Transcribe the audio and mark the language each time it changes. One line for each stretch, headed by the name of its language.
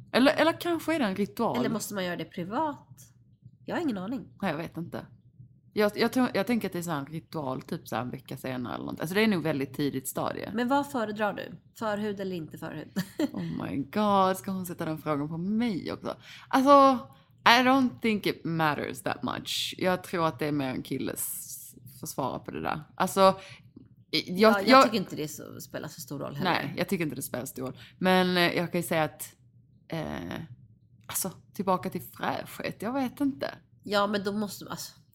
Swedish: Eller kanske är det en ritual. Eller måste man göra det privat? Jag har ingen aning. Nej, jag vet inte. Jag tänker att det är så här en ritual typ så här en vecka senare eller något. Alltså det är nog väldigt tidigt stadie. Men vad föredrar du? Förhud eller inte förhud?
English: Oh my god,
Swedish: ska hon sätta den frågan på mig också?
English: Alltså, I don't think it matters that much.
Swedish: Jag tror att det är mer en killes att svara på det där. Alltså, jag tycker inte det spelar så stor roll heller. Nej, jag tycker inte det spelar stor roll. Men jag kan ju säga att, alltså, tillbaka till fräschhet, jag vet inte. Ja, men då måste man, alltså...